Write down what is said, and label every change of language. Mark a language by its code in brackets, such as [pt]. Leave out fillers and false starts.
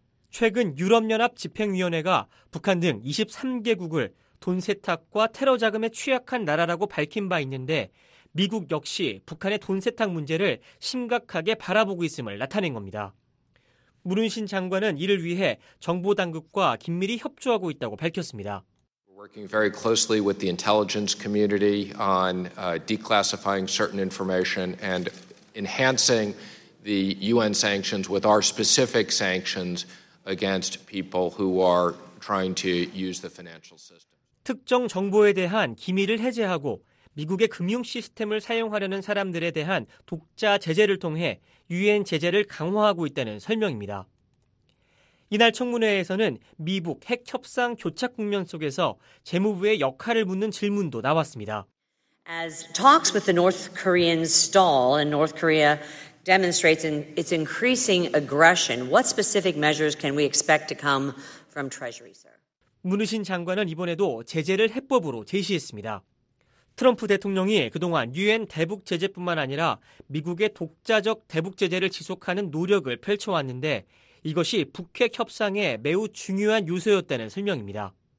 [ko] 최근 유럽연합 집행위원회가 북한 등 23개국을 돈 세탁과 테러 자금에 취약한 나라라고 밝힌 바 있는데 미국 역시 북한의 돈 세탁 문제를 심각하게 바라보고 있음을 나타낸 겁니다. 무른신 장관은 이를 위해 정보 당국과 긴밀히 협조하고 있다고 밝혔습니다. [en] Working very closely with the intelligence community on declassifying certain information and enhancing the UN sanctions with our specific sanctions against people who are trying to use the financial system. [ko] 특정 정보에 대한 기밀을 해제하고 미국의 금융 시스템을 사용하려는 사람들에 대한 독자 제재를 통해 유엔 제재를 강화하고 있다는 설명입니다. 이날 청문회에서는 미북 핵 협상 교착 국면 속에서 재무부의 역할을 묻는 질문도 나왔습니다. [en] As talks with the North Koreans stall and North Korea demonstrates in its increasing aggression, what specific measures can we expect to come from Treasury, sir? [ko] 문우신 장관은 이번에도 제재를 해법으로 제시했습니다. 트럼프 대통령이 그동안 유엔 대북 제재뿐만 아니라 미국의 독자적 대북 제재를 지속하는 노력을 펼쳐왔는데 이것이 북핵 협상에 매우 중요한 요소였다는 설명입니다.